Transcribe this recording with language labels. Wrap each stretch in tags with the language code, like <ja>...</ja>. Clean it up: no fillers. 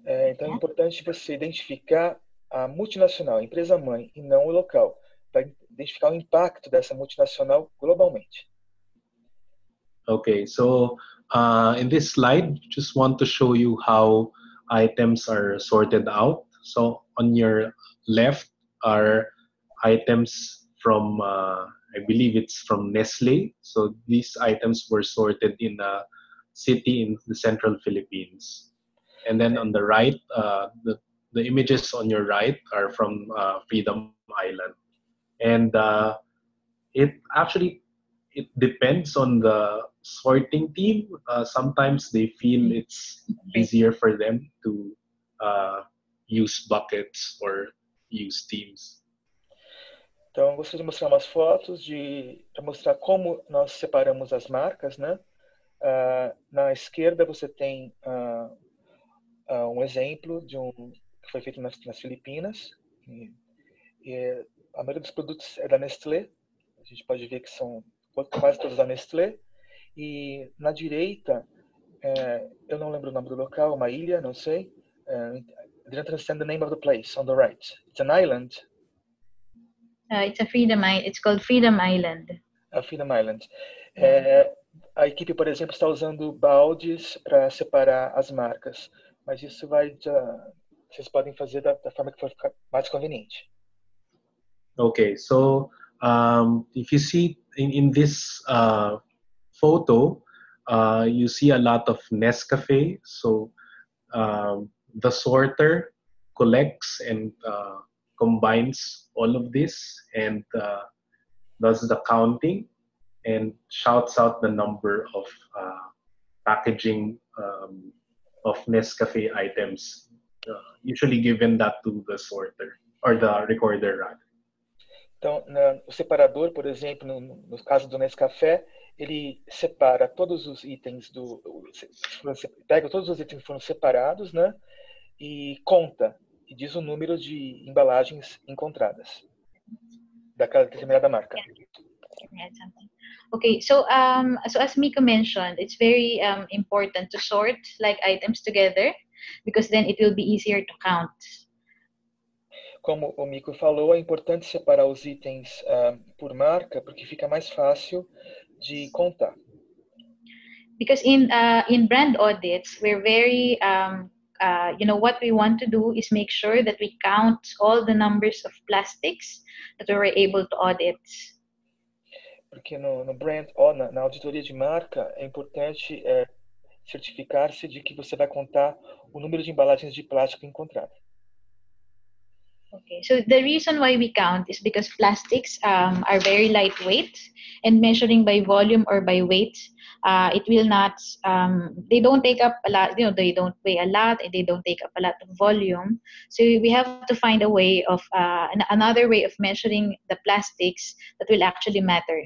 <pt>Então é importante você identificar a multinacional, a empresa-mãe, e não o local, para identificar o impacto dessa multinacional globalmente.</pt> <en>Okay, so in this slide, just want to show you how items are sorted out. So on your left are items from, I believe it's from Nestle. So these items were sorted in a city in the central Philippines. And then on the right, the images on your right are from Freedom Island. And it depends on the sorting team. Sometimes they feel it's easier for them to use buckets or use teams.</en> <pt>Então, eu gostaria de mostrar umas fotos para mostrar como nós separamos as marcas, né? Na esquerda você tem um exemplo de que foi feito nas Filipinas. A maioria dos produtos é da Nestlé. A gente pode ver que são quase todos da Nestlé. E na direita eu não lembro o nome do local, uma ilha, não sei.</pt> <en>I didn't understand the name of the place on the right. It's an island. It's a freedom island. It's called Freedom Island.</en> <pt>A Freedom Island. A equipe, por exemplo, está usando baldes para separar as marcas. Mas isso vai... vocês podem fazer da forma que for mais conveniente.</pt> <en>Okay, so if you see in this photo, you see a lot of Nescafe. So the sorter collects and combines all of this and does the counting and shouts out the number of packaging of Nescafe items, usually given that to the sorter or the recorder, rather.</en> <pt>Então, o separador, por exemplo, no caso do Nescafé, ele separa todos os itens do... pega todos os itens que foram separados, né? E conta, e diz o número de embalagens encontradas daquela determinada marca.</pt> <en>Yeah. Okay, so, so as Mika mentioned, it's very important to sort like items together because then it will be easier to count.</en> <pt>Como o Mico falou, é importante separar os itens por marca, porque fica mais fácil de contar.</pt> <en>Because in brand audits, we're very, you know, what we want to do is make sure that we count all the numbers of plastics that we're able to audit.</en> <pt>Porque no brand, na auditoria de marca, é importante certificar-se de que você vai contar o número de embalagens de plástico encontrado.</pt> <en>Okay, so the reason why we count is because plastics are very lightweight, and measuring by volume or by weight, it will not, they don't take up a lot, you know, they don't weigh a lot, and they don't take up a lot of volume. So we have to find a way of, another way of measuring the plastics that will actually matter.</en>